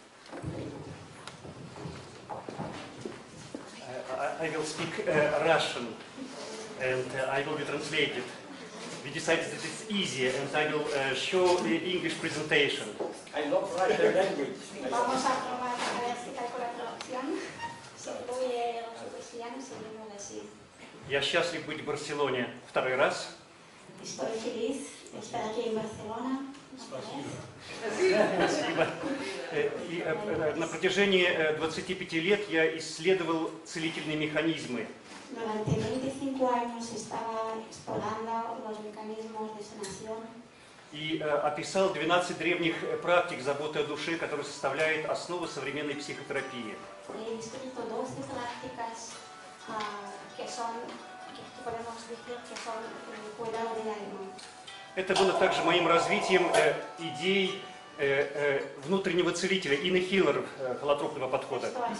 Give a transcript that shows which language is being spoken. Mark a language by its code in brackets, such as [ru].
[en] Thank you so much. I will speak Russian, and I will be translated. We decided that it's easier, and I will show the English presentation. I love Russian language. [es] Vamos a probar a ver si calco la traducción. Si tú y los cristianos seguimos así. [ru] Я счастлив быть в Барселоне второй раз. [es] Estoy feliz de estar aquí en Barcelona. [ru] Спасибо. И на протяжении 25 лет я исследовал целительные механизмы. [es] Durante 25 años estaba explorando los mecanismos de sanación. [ru] Y описал 12 древних практик заботы о душе, которые составляют основу современной психотерапии. [es] He escrito 12 prácticas que podemos decir que son cuidado del alma. [ru] Это было также моим развитием идей внутреннего целителя, [en] inner healer, [ru] холотропного подхода.